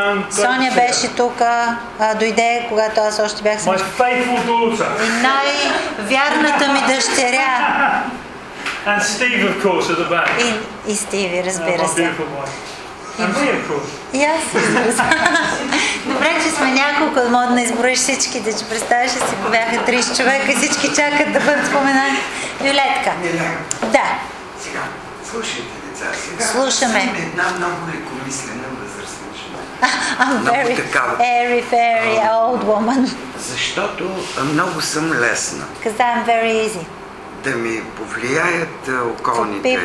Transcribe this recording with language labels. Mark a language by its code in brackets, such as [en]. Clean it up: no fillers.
[bg] Соня беше тук, дойде, когато аз още бях съм. И най-вярната ми дъщеря. [en] And Steve, of course, at the back. [bg] И Стиви, разбира се. [en] And me, of course. [bg] Добре, че сме няколко, да мога да изброиш всичките, че представяш си, ако бяха 30 човека и всички чакат да бъдат споменани. Виолетка. Да. Сега, слушайте, деца. Сега, слушаме. Сега една много лекомислена възрастна жена. [en] I'm very, very, very old woman. [bg] Защото много съм лесна. [en] Because I'm very easy. [bg] да ми повлияят околните